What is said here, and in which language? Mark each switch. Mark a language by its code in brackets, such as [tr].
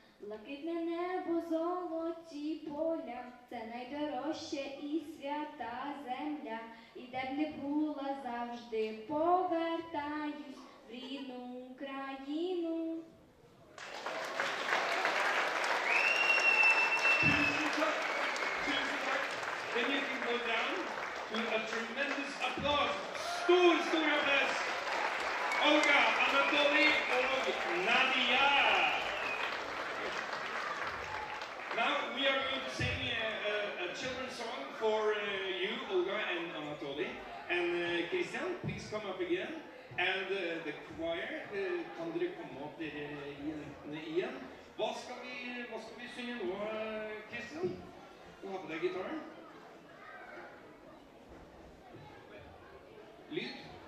[uk] Блакитне небо, золоті поля, це найдорожче і свята земля. І де б не була завжди, повертаюсь в рідну Україну. [en] Can you go down to a tremendous applause? [no] Stor, stor applaus! Olga, Anatoly og Nadia! [en] Now we are going to sing a children's song for you, Olga and Anatoly. And Christian, please come up again. And the choir, [no] kan dere komme opp dere igjen? Hva skal vi synge nå, Christian? Du har på deg gitaren. Lyd.